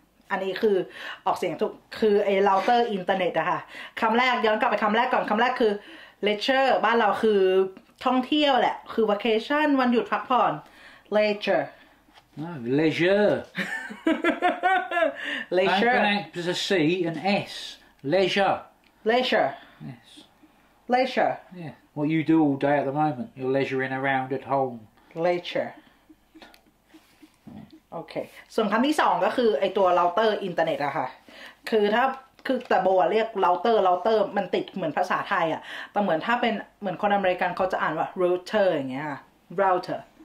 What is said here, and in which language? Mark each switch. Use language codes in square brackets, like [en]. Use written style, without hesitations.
[th] อันนี้คือออกเสียงทุกคือไอ้เราเตอร์อินเทอร์เน็ตอะค่ะคำแรกย้อนกลับไปคำแรกก่อนคำแรกคือ leisure บ้านเราคือท่องเที่ยวแหละคือ vacation วันหยุดพักผ่อน leisure [en] leisure leisure I'm gonna act as a C and S leisure leisure yes leisure yeah what you do all day at the moment you're leisuring around at home [th] leisureโอเคส่วนคำที่สองก็คือไอตัวเราเตอร์อินเทอร์เน็ตอะค่ะคือถ้าคือแต่โบเรียกเราเตอร์มันติดเหมือนภาษาไทยอะแต่เหมือนถ้าเป็นเหมือนคนอเมริกันเขาจะอ่านว่า router อย่างเงี้ย router